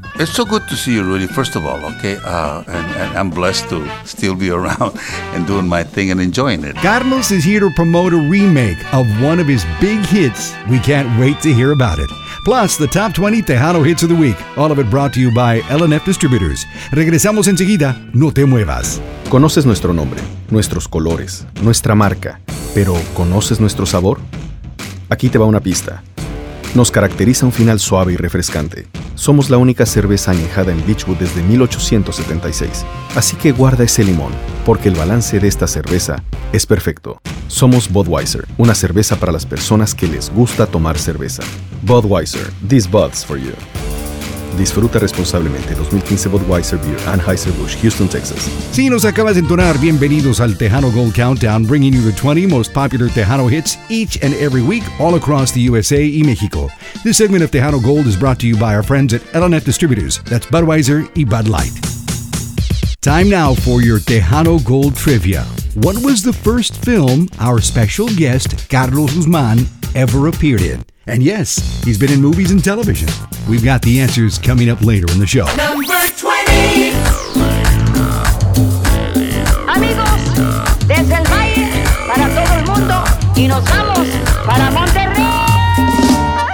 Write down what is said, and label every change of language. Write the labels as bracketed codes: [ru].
[en] It's so good to see you, Rudy, first of all, okay? And I'm blessed to still be around and doing my thing and enjoying it. Carlos is here to promote a remake of one of his big hits. We can't wait to hear about it. Plus, the top 20 Tejano hits of the week. All of it brought to you by L&F Distributors. [es] Regresamos enseguida. No te muevas. ¿Conoces nuestro nombre, nuestros colores, nuestra marca, pero conoces nuestro sabor? Aquí te va una pista. Nos caracteriza un final suave y refrescante. Somos la única cerveza añejada en Beechwood desde 1876. Así que guarda ese limón, porque el balance de esta cerveza es perfecto. Somos Budweiser, una cerveza para las personas que les gusta tomar cerveza. [en] Budweiser, this Bud's for you. [es] Disfruta responsablemente 2015 Budweiser Beer, Anheuser-Busch, Houston, Texas. Si nos acabas de entonar, bienvenidos al [en] Tejano Gold Countdown, bringing you the 20 most popular Tejano hits each and every week all across the USA y México. This segment of Tejano Gold is brought to you by our friends at L&F Distributors. That's Budweiser y Bud Light. Time now for your Tejano Gold Trivia. What was the first film our special guest, Carlos Guzmán, ever appeared in? And yes, he's been in movies and television. We've got the answers coming up later in the show. Number 20. [es] Amigos, desde el valle para todo el mundo y nos vamos para Monterrey.